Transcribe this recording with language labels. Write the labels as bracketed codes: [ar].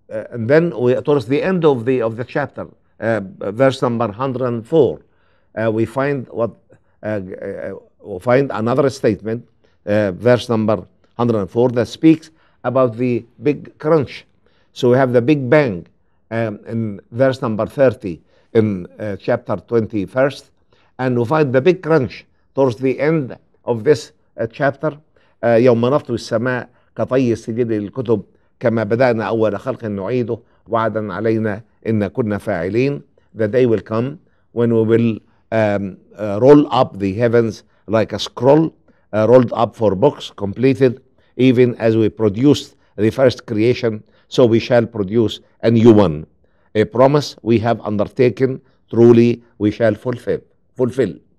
[en] And then we, towards the end of the chapter, verse number 104, we find what we find another statement, verse number 104, that speaks about the big crunch. So we have the big bang in verse number 30 in chapter 21st, and we find the big crunch towards the end of this chapter. [ar] يوم نطوي السماء كطي السجل للكتب كما بدأنا أول خلق نعيده وعدا علينا إن كنا فاعلين. [en] The day will come when we will roll up the heavens like a scroll, rolled up for books, completed, even as we produced the first creation, so we shall produce a new one. A promise we have undertaken, truly we shall fulfill.